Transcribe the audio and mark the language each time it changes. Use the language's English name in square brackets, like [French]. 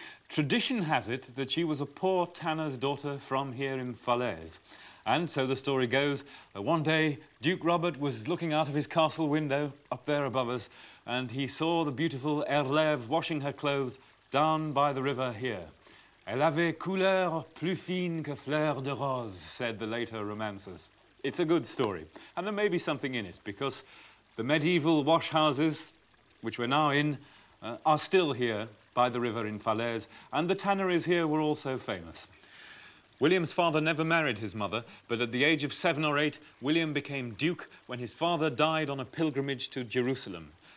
[English] Tradition has it that she was a poor tanner's daughter from here in Falaise. And so the story goes that one day Duke Robert was looking out of his castle window up there above us, and he saw the beautiful Erlève washing her clothes down by the river here. [French] Elle avait couleur plus fine que fleur de rose, [English] said the later romancers. It's a good story, and there may be something in it, because the medieval washhouses, which we're now in, are still here by the river in Falaise, and the tanneries here were also famous. William's father never married his mother, but at the age of 7 or 8, William became Duke when his father died on a pilgrimage to Jerusalem.